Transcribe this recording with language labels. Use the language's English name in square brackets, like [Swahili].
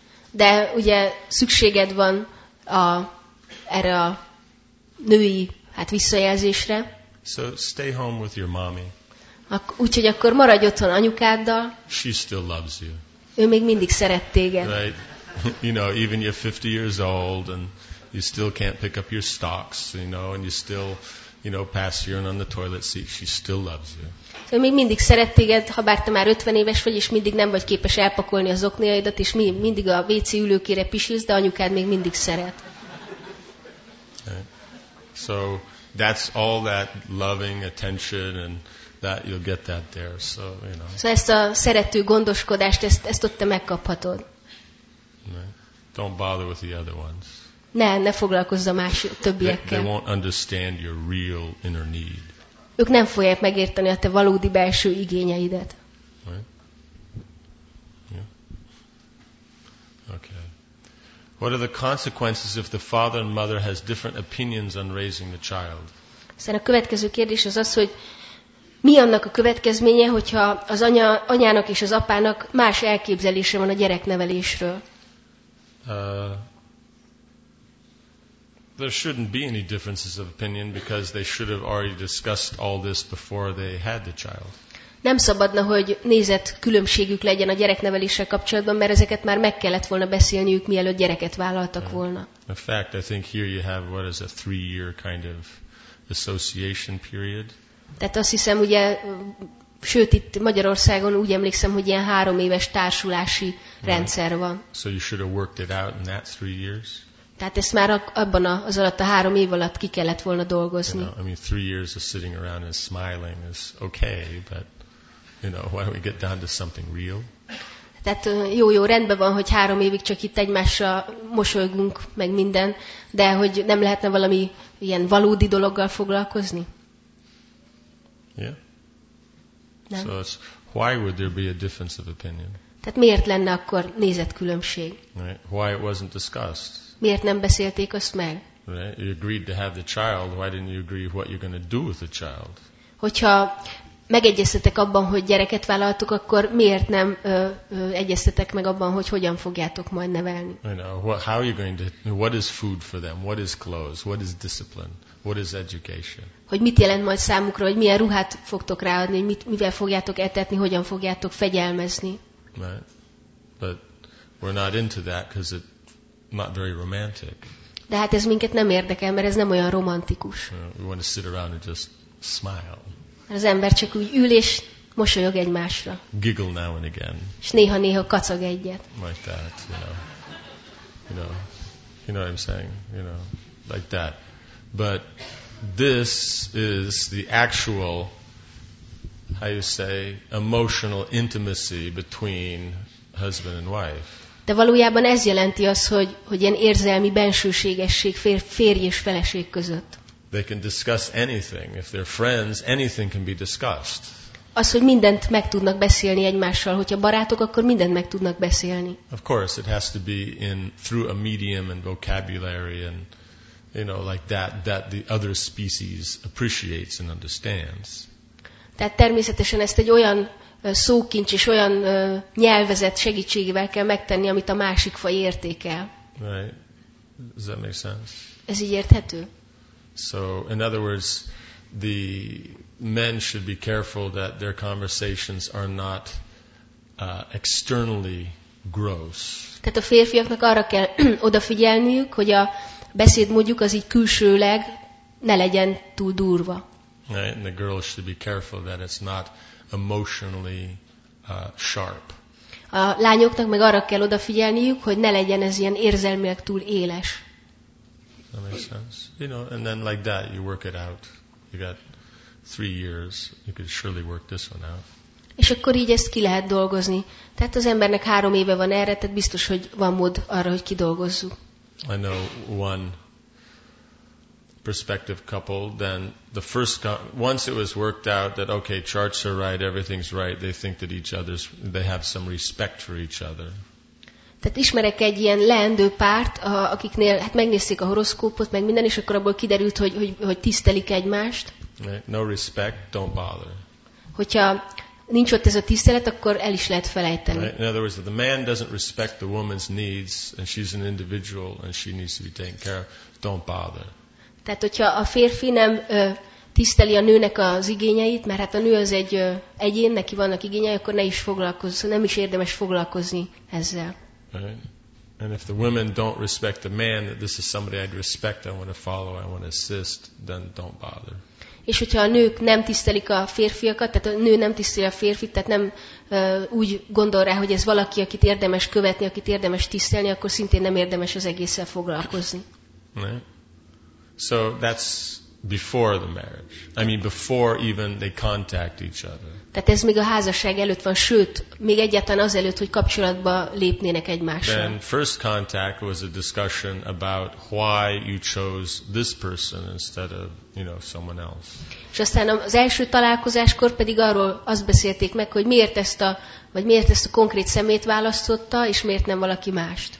[Hungarian] De ugye szükséged van erre a női visszajelzésre. [English] So stay home with your mommy. [Hungarian] Úgyhogy akkor maradj otthon anyukáddal. [English] She still loves you. [Hungarian] Ő még mindig szeret téged. [English] Right? You know, even you're 50 years old and you still can't pick up your stocks, you know, and you still, you know, pass urine on the toilet seat, she still loves you. [Hungarian] Ő még mindig szeret téged, ha bár te már 50 éves vagy, és mindig nem vagy képes elpakolni az oknéjaidat, és mindig a WC ülőkére pisilsz, de anyukád még mindig szeret. [English] Okay. So that's all that loving attention and that you'll get that there. So, you know. [Hungarian] Szóval ezt a szerető gondoskodást, ezt ott te megkaphatod. [English] Okay. Don't bother with the other ones. [Hungarian] Ne foglalkozz a többiekkel. [English] They won't understand your real inner need. [Hungarian] Ők nem fogják megérteni a te valódi belső igényeidet. [English] Right? Yeah. Okay. What are the consequences if the father and mother has different opinions on raising the child? [Hungarian] A következő kérdés az, hogy mi annak a következménye, hogyha az anyának és az apának más elképzelése van a gyereknevelésről? [English] There shouldn't be any differences of opinion because they should have already discussed all this before they had the child. [Hungarian] Nem szabadna, hogy nézet különbségük legyen a gyerekneveléssel kapcsolatban, mert ezeket már meg kellett volna beszélniük, mielőtt gyereket vállaltak volna. [English] In fact, I think here you have what is a 3-year kind of association period. [Hungarian] Tehát azt hiszem, ugye, sőt, itt Magyarországon úgy emlékszem, hogy ilyen 3 éves társulási rendszer van. [English] So you should have worked it out in that 3 years. [Hungarian] Tehát ezt már abban az alatt a három év alatt ki kellett volna dolgozni. [English] You know, I mean, 3 years of sitting around and smiling is okay, but you know, why don't we get down to something real? [Hungarian] Tehát jó, rendben van, hogy 3 évig csak itt egymással mosolygunk meg minden, de hogy nem lehetne valami ilyen valódi dologgal foglalkozni? [English] Yeah. [Hungarian] Nem. [English] So it's, why would there be a difference of opinion? [Hungarian] Tehát miért lenne akkor nézetkülönbség? [English] Right. Why it wasn't discussed? [Hungarian] Miért nem beszélték azt meg? [English] Right. You agreed to have the child. Why didn't you agree what you're going to do with the child? [Hungarian] Hogyha megegyeztetek abban, hogy gyereket vállaltok, akkor miért nem egyeztetek meg abban, hogy hogyan fogjátok majd nevelni? [English] You know, how are you going to, what is food for them? What is clothes? What is discipline? What is education? [Hungarian] Hogy mit jelent majd számukra, hogy milyen ruhát fogtok ráadni, hogy mivel fogjátok etetni, hogyan fogjátok fegyelmezni? [English] Right. But we're not into that because it's not very romantic. [Hungarian] De hát ez minket nem érdekel, mert ez nem olyan romantikus. [English] We want to sit around and just smile. [Hungarian] Az ember csak úgy ül és mosolyog egymásra. [English] Giggle now and again. [Hungarian] És néha-néha kacag egyet. [English] Like that, you know what I'm saying? You know, like that. But this is the actual, how you say, emotional intimacy between husband and wife. [Hungarian] De valójában ez jelenti azt, hogy ilyen érzelmi bensőségesség férj és feleség között. [English] They can discuss anything. If they're friends, anything can be discussed. [Hungarian] Az, hogy mindent meg tudnak beszélni egymással, hogyha barátok, akkor mindent meg tudnak beszélni. [English] Of course, it has to be in through a medium and vocabulary and you know like that the other species appreciates and understands. [Hungarian] Tehát természetesen ezt egy olyan szókincs és olyan nyelvezet segítségével kell megtenni, amit a másik faj értékel. [English] Right. Does that make sense? [Hungarian] Ez így érthető? [English] So, in other words, the men should be careful that their conversations are not externally gross. [Hungarian] Tehát a férfiaknak arra kell odafigyelniük, hogy a beszéd mondjuk az így külsőleg ne legyen túl durva. [English] Right? And the girls should be careful that it's not emotionally sharp. [Hungarian] A lányoknak meg arra kell odafigyelniük, hogy ne legyen ez ilyen érzelmileg túl éles. [English] That makes sense. You know, and then like that, you work it out. You got 3 years. You could surely work this one out. [Hungarian] És akkor így ezt ki lehet dolgozni. Tehát az embernek 3 éve van erre, tehát biztos, hogy van mód arra, hogy kidolgozzuk. [English] I know one prospective couple, then the first, once it was worked out that, okay, charts are right, everything's right, they think that each other's, they have some respect for each other. [Hungarian] Tehát ismerek egy ilyen leendő párt, akiknél hát megnézték a horoszkópot, meg minden, és akkor abból kiderült, hogy tisztelik egymást. [English] No respect, don't bother. [Hungarian] Hogyha nincs ott ez a tisztelet, akkor el is lehet felejteni. [English] In other words, if the man doesn't respect the woman's needs, and she's an individual, and she needs to be taken care of, don't bother. [Hungarian] Tehát, hogyha a férfi nem tiszteli a nőnek az igényeit, mert hát a nő az egy egyén, neki vannak igényei, akkor ne is foglalkozz, nem is érdemes foglalkozni ezzel. [English] Right. And if the women don't respect the man, that this is somebody I'd respect, I want to follow, I want to assist, then don't bother. [Hungarian] És hogyha a nők nem tisztelik a férfiakat, tehát a nő nem tiszteli a férfit, tehát nem úgy gondol rá, hogy ez valaki, akit érdemes követni, akit érdemes tisztelni, akkor szintén nem érdemes az egésszel foglalkozni. [English] Right. So that's before the marriage. I mean, before even they contact each other. [Hungarian] Tehát ez még a házasság előtt van, sőt, még egyáltalán az előtt, hogy kapcsolatba lépnének egymással. [English] Then first contact was a discussion about why you chose this person instead of, you know, someone else. [Hungarian] És aztán az első találkozáskor pedig arról azt beszélték meg, hogy miért ezt a konkrét szemét választotta, és miért nem valaki mást.